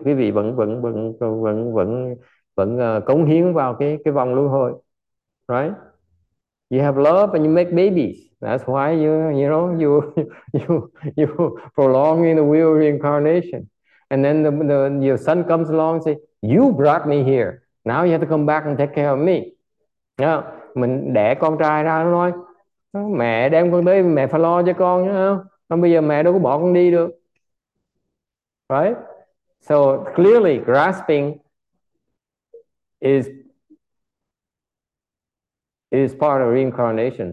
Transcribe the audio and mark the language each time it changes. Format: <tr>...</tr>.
<vi>Quý vị vẫn cống hiến vào cái vòng luân hồi, right?</vi> <en>You have love and you make babies. That's why you prolong in the wheel of reincarnation. And then the your son comes along and say, "You brought me here. Now you have to come back and take care of me." Yeah.</en> <vi>Mình đẻ con trai ra nó nói, mẹ đem con tới mẹ phải lo cho con. Không, bây giờ mẹ đâu có bỏ con đi được.</vi> <en>Right? So clearly grasping is part of reincarnation.</en>